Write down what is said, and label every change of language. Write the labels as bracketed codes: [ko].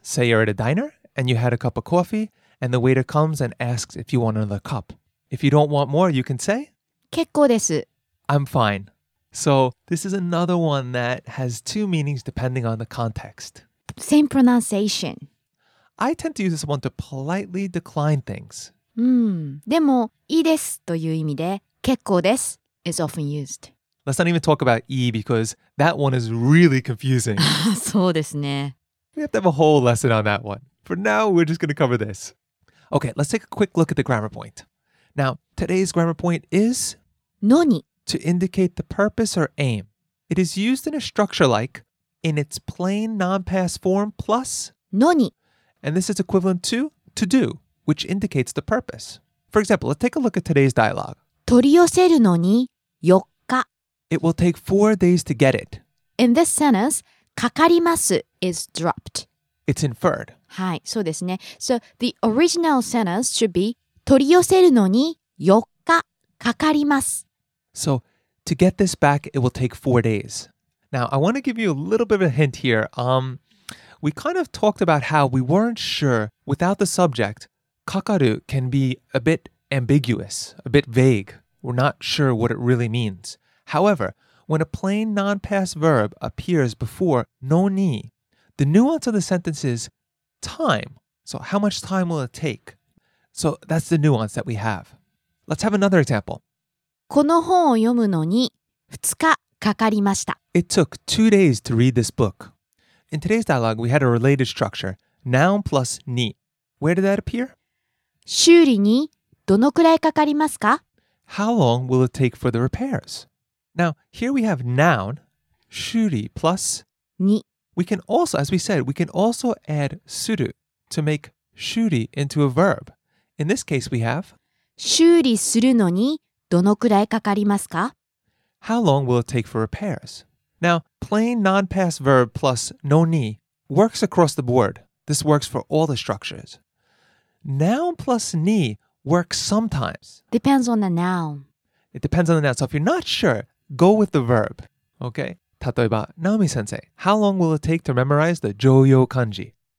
[en] Say you're at a diner and you had a cup of coffee and the waiter comes and asks if you want another cup. If you don't want more, you can say, [ja] 結構です。 [en] I'm fine. So this is another one that has two meanings depending on the context. Same pronunciation. I tend to use this one to politely decline things. [ja] でも、いいですという意味で、結構です [en] is often used. Let's not even talk about いい because that one is really confusing. [ja] そうですね。 [en] We have to have a whole lesson on that one. For now, we're just going to cover this. Okay, let's take a quick look at the grammar point. Now, today's grammar point is... [ja] のに [en] To indicate the purpose or aim. It is used in a structure like in its plain non-past form plus... [ja] のに [en] And this is equivalent to do. Which indicates the purpose. For example, let's take a look at today's dialogue. [ja] 取り寄せるのに4日。 [en] It will take 4 days to get it. In this sentence, かかります is dropped. It's inferred. [ja] はい、そうですね。 [en] So the original sentence should be [ja] 取り寄せるのに4日かかります。 [en] So to get this back, it will take 4 days. Now, I want to give you a little bit of a hint here. We kind of talked about how we weren't sure without the subject. Kakaru can be a bit ambiguous, a bit vague. We're not sure what it really means. However, when a plain non-past verb appears before no ni, the nuance of the sentence is time. So how much time will it take? So that's the nuance that we have. Let's have another example. [ja] この本を読むのに2日かかりました。 [en] It took 2 days to read this book. In today's dialogue, we had a related structure, noun plus ni. Where did that appear? [ja] 修理にどのくらいかかりますか? [en] How long will it take for the repairs? Now, here we have noun, 修理 plus [ja] に. [en] We can also, as we said, we can also add する to make 修理 into a verb. In this case, we have [ja] 修理するのにどのくらいかかりますか? [en] How long will it take for repairs? Now, plain non-past verb plus のに works across the board. This works for all the structures. Noun plus ni works sometimes. Depends on the noun. It depends on the noun. So if you're not sure, go with the verb. Okay? 例えば、Naomi-sensei, how long will it take to memorize the 常用漢字?